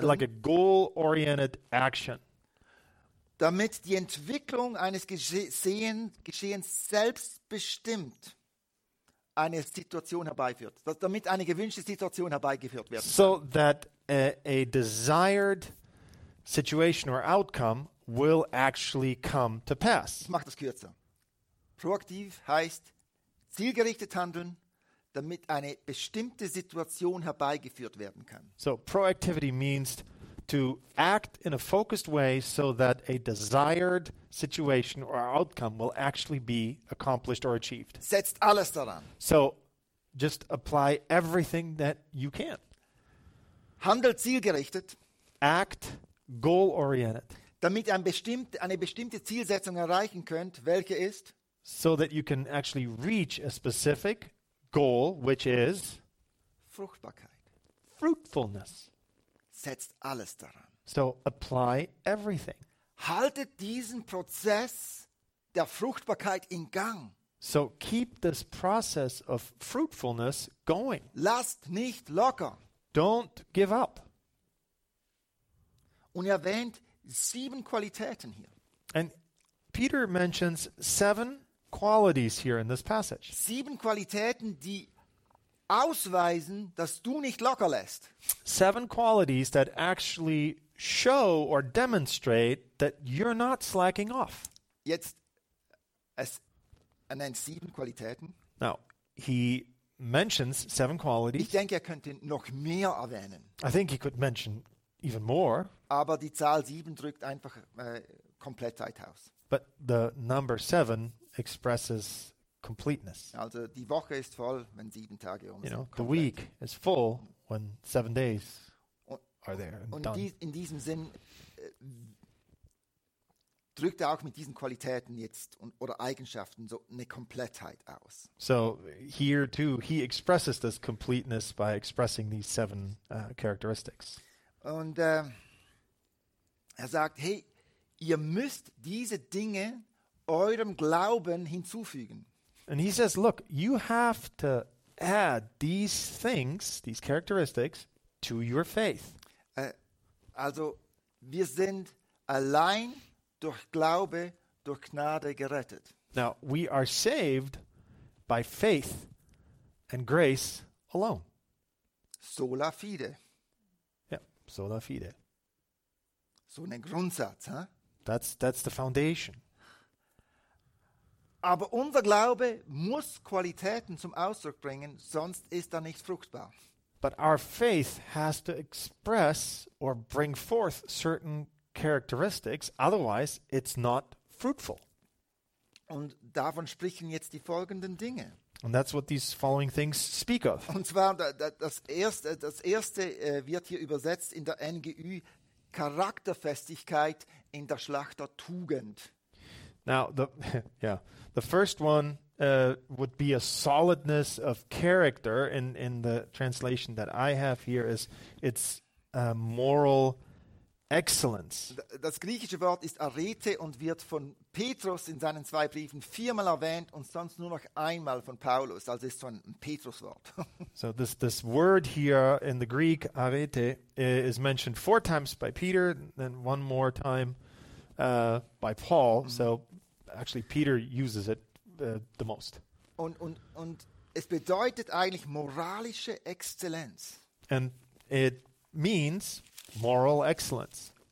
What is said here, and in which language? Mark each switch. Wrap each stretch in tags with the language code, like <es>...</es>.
<en>Yeah, like a goal-oriented action.</en> <de>Damit die Entwicklung eines Geschehens selbstbestimmt eine Situation herbeiführt. Damit eine gewünschte Situation herbeigeführt wird.</de> <en>So that a desired situation or outcome will actually come to pass.</en> <de>Ich mache das kürzer. Proaktiv heißt zielgerichtet handeln, damit eine bestimmte Situation herbeigeführt werden kann.</de> <en>So, proactivity means to act in a focused way so that a desired situation or outcome will actually be accomplished or achieved.</en> <de>Setzt alles daran.</de> <en>So, just apply everything that you can.</en> <de>Handel zielgerichtet.</de> <en>Act goal-oriented.</en> <de>Damit eine bestimmte Zielsetzung erreichen könnt, welche ist?</de> <en>so that you can actually reach a specific goal, which is</en> <de>Fruchtbarkeit.</de> <en>Fruitfulness.</en> <de>Setzt alles daran.</de> <en>So apply everything.</en> <de>Haltet diesen Prozess der Fruchtbarkeit in Gang.</de> <en>So keep this process of fruitfulness going.</en> <de>Lasst nicht locker.</de> <en>Don't give up.</en> <de>Und erwähnt sieben Qualitäten hier.</de> <en>And Peter mentions seven qualities here in this passage.</en> <de>Sieben Qualitäten, die ausweisen, dass du nicht locker lässt.</de> <en>Seven qualities that actually show or demonstrate that you're not slacking off.</en> <de>Jetzt, es nennt sieben Qualitäten.</de> <en>Now, he mentions seven qualities.</en> <de>Ich denke, er könnte noch mehr erwähnen.</de> <en>I think he could mention even more.</en> <de>Aber die Zahl sieben drückt einfach Komplettheit aus.</de> <en>But the number seven expresses completeness.</en> <de>Also die Woche ist voll, wenn sieben Tage um sind.</de> <en>You know, the week is full when 7 days are there and done.</en> <de>Und in diesem Sinn drückt er auch mit diesen Qualitäten jetzt oder Eigenschaften so eine Komplettheit aus.</de> <en>So here too, he expresses this completeness by expressing these seven characteristics.</en> <de>Und er sagt, hey, ihr müsst diese Dinge eurem Glauben hinzufügen.</de> <en>And he says, look, you have to add these things, these characteristics, to your faith.</en> <de>Also, wir sind allein durch Glaube, durch Gnade gerettet.</de> <en>Now, we are saved by faith and grace alone.</en> <la>Sola fide.</la> <en>Yeah, sola fide.</en> <de>So ein Grundsatz, huh?</de> <en>That's the foundation.</en> <de>Aber unser Glaube muss Qualitäten zum Ausdruck bringen, sonst ist er nicht fruchtbar.</de> <en>But our faith has to express or bring forth certain characteristics, otherwise it's not fruitful.</en> <de>Und davon sprechen jetzt die folgenden Dinge.</de> <en>And that's what these following things speak of.</en> <de>Und zwar das erste wird hier übersetzt in der NGÜ Charakterfestigkeit in der Schlachter Tugend.</de> <en>Now, the first one would be a solidness of character in the translation that I have here is it's moral excellence.</en> <de>Das griechische Wort ist arete und wird von Petrus in seinen zwei Briefen viermal erwähnt und sonst nur noch einmal von Paulus, also ist so ein Petruswort.</de> <en>So this word here in the Greek, arete, is mentioned four times by Peter, then one more time by Paul, so actually Peter uses it the most.</en> <de>Und es bedeutet eigentlich moralische Exzellenz.</de> <en>And it means moral excellence.</en>